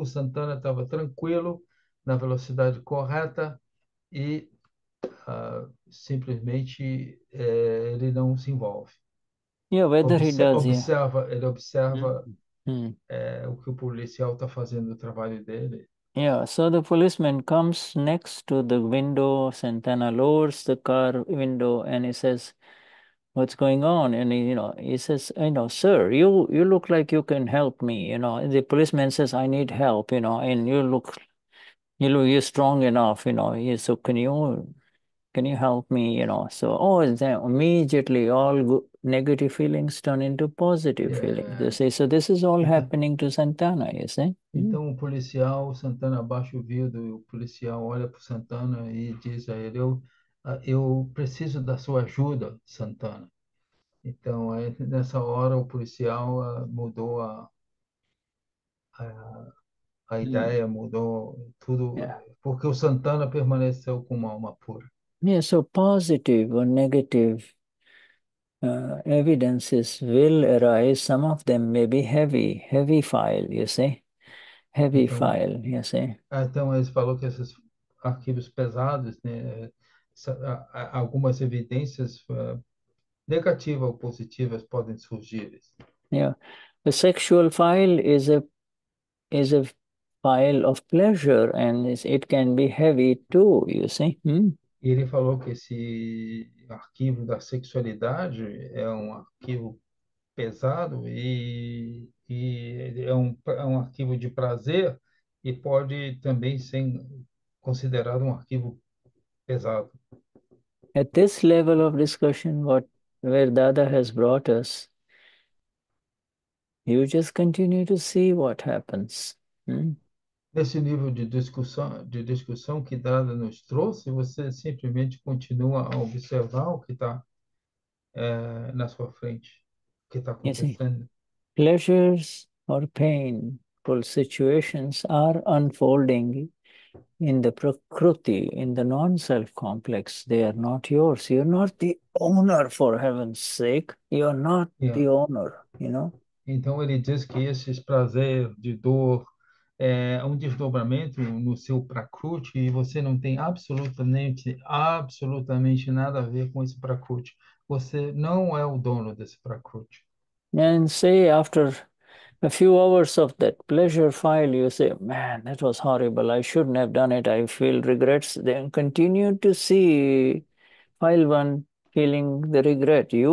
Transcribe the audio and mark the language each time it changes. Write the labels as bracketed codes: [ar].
[pt] O Santana estava tranquilo na velocidade correta e simplesmente ele não se envolve. Ele observa o que o policial está fazendo, o trabalho dele. [en] Yeah, so the policeman comes next to the window, Santana lowers the car window and he says, what's going on? And he says, sir, you look like you can help me, And the policeman says, I need help, and you're strong enough, so can you help me, So immediately all negative feelings turn into positive feelings, you see. So this is all happening to Santana, you see. [pt] Então, o policial, Santana abaixa o vidro e o policial olha para o Santana e diz a ele, eu preciso da sua ajuda, Santana. Então, nessa hora, o policial mudou a ideia, mudou tudo, porque o Santana permaneceu com uma alma pura. [en] Yeah, so positive or negative evidences will arise, some of them may be heavy file, you see. Heavy [pt] então, [en] file, you see. [pt] Então, eles falou que esses arquivos pesados, né, algumas evidências negativas ou positivas podem surgir. [en] Yeah. The sexual file is a file of pleasure and it can be heavy too, you see. [pt] E ele falou que esse arquivo da sexualidade é um arquivo pesado e é um arquivo de prazer e pode também ser considerado um arquivo pesado. [en] At this level of discussion, where Dada has brought us, you just continue to see what happens. [pt] Nesse nível de discussão que Dada nos trouxe, você simplesmente continua a observar o que está na sua frente. [en] You see, pleasures or pain, situations are unfolding In the prakriti, in the non-self complex, they are not yours. You're not the owner, for heaven's sake. You're not the owner, you know? [pt] Então ele diz que esse prazer de dor é um desdobramento no seu prakruti e você não tem absolutamente nada a ver com esse prakruti. Você não é o dono desse prakruti. [en] And say after a few hours of that pleasure file, you say, man, that was horrible. I shouldn't have done it. I feel regrets. Then continue to see file one, feeling the regret.